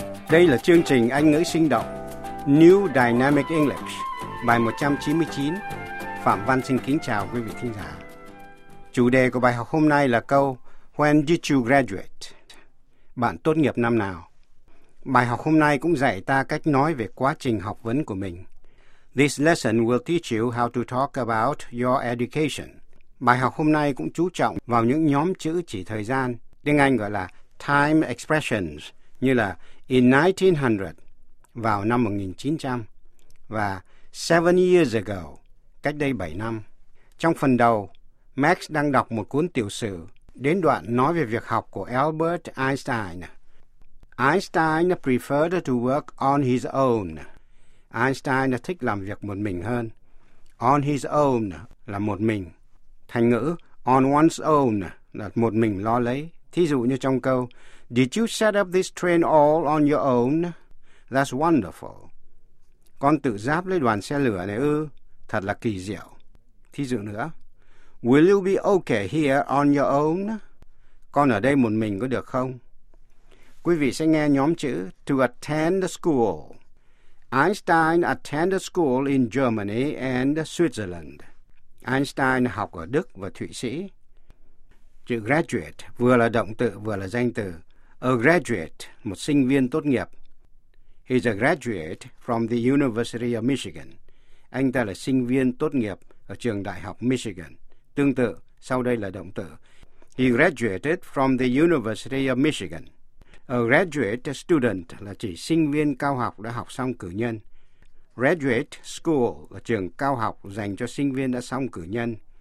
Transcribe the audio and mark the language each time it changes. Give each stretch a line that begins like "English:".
Vietnamese: Đây là chương trình Anh ngữ sinh động New Dynamic English, bài 199. Phạm Văn xin kính chào quý vị thính giả. Chủ đề của bài học hôm nay là câu
English: When did you graduate?
Vietnamese: Bạn tốt nghiệp năm nào? Bài học hôm nay cũng dạy ta cách nói về quá trình học vấn của mình.
English: This lesson will teach you how to talk about your education.
Vietnamese: Bài học hôm nay cũng chú trọng vào những nhóm chữ chỉ thời gian, tiếng Anh gọi là time expressions, như là in 1900, vào năm 1900, và
English: 7 years ago,
Vietnamese: cách đây 7 năm. Trong phần đầu, Max đang đọc một cuốn tiểu sử đến đoạn nói về việc học của Albert Einstein.
English: Einstein preferred to work on his own.
Vietnamese: Einstein thích làm việc một mình hơn. On his own là một mình. Thành ngữ on one's own là một mình lo lấy. Thí dụ như trong câu
English: Did you set up this train all on your own? That's wonderful.
Vietnamese: Con tự ráp lấy đoàn xe lửa này ư? Thật là kỳ diệu. Thí dụ nữa.
English: Will you be okay here on your own?
Vietnamese: Con ở đây một mình có được không? Quý vị sẽ nghe nhóm chữ to attend school.
English: Einstein attended school in Germany and Switzerland.
Vietnamese: Einstein học ở Đức và Thụy Sĩ. Chữ graduate vừa là động từ vừa là danh từ.
English: A graduate,
Vietnamese: một sinh viên tốt nghiệp.
English: He's a graduate from the University of Michigan.
Vietnamese: Anh ta là sinh viên tốt nghiệp ở trường Đại học Michigan. Tương tự, sau đây là động từ.
English: He graduated from the University of Michigan.
Vietnamese: A graduate student là chỉ sinh viên cao học đã học xong cử nhân. Graduate school là trường cao học dành cho sinh viên đã xong cử nhân.